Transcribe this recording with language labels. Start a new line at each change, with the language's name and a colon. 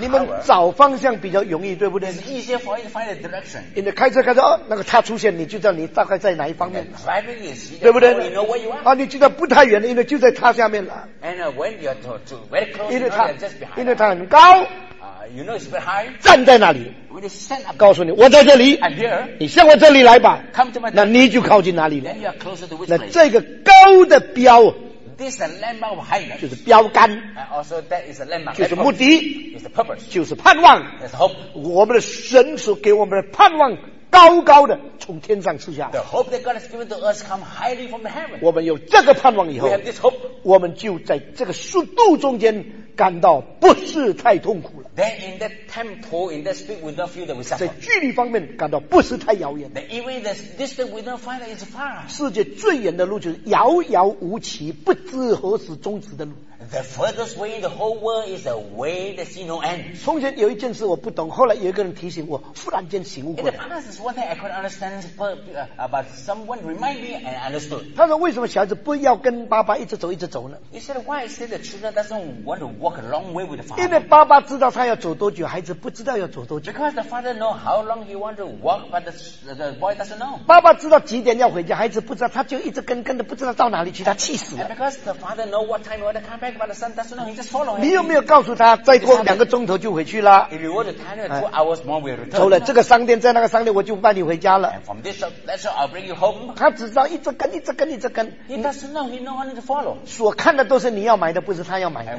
Chinese: 你们找方向比较容易，对不对
English: ？It's easier for you to find a direction。
Chinese: 你的开车开车，那个塔出现，你就知道你大概在哪一方面。
English: Driving is easy，
Chinese: 对不对
English: ？You know where you are。
Chinese: 啊，你知道不太远了，因为就在塔下面了。
English: And when you're too very close， you know that just behind。
Chinese: 因为它很高。
English: You know it's very high.
Chinese: 站在那里
English: When you stand up,
Chinese: 告诉你我在这里
English: I'm here,
Chinese: 你向我这里来吧
English: come to my
Chinese: desk, 那你就靠近哪里了
English: then you are closer to which
Chinese: 那这个高的标
English: This is a landmark of highness,
Chinese: 就是标杆
English: and also that is a landmark,
Chinese: 就是目的
English: it's the purpose,
Chinese: 就是盼望
English: it's hope.
Chinese: 我们的神所给我们的盼望高高的从天上赐下
English: The hope that God has given to us come highly from the heaven.
Chinese: 我们有这个盼望以后
English: We have this hope.
Chinese: 我们就在这个速度中间感到不是太痛苦了。
English: Then in that tempo, in that speed, we don't feel that we suffer.
Chinese: 在距离方面感到不是太遥远。
English: Then even the distance, we don't find that it's far.
Chinese: 世界最远的路就是遥遥无期、不知何时终止的路。
English: The furthest way in the whole world is a way that sees no end.
Chinese: 从前有一件事我不懂，后来有一个人提醒我，忽然间醒悟过来。
English: In the past, is one thing I couldn't understand, but someone reminded me and understood.
Chinese: 他说：“为什么小孩子不要跟爸爸一直走一直走呢
English: ？”He said, "Why is it the children doesn't want to walk a long way with the father?"
Chinese: 因为爸爸知道他要走多久，孩子不知道要走多久。
English: Because the father know how long he want to walk, but the boy doesn't know.
Chinese: 爸爸知道几点要回家，孩子不知道，他就一直跟着，不知道到哪里去，他气死了。
English: And because the father know what time he want to come back.
Chinese: 你有没有告诉他再过两个钟头就回去了
English: 2 hours more,
Chinese: 走了这个商店在那个商店我就带你回家了
English: shop,
Chinese: 他只知道一直跟一直跟一直跟
English: he know,
Chinese: 所看的都是你要买的不是他要买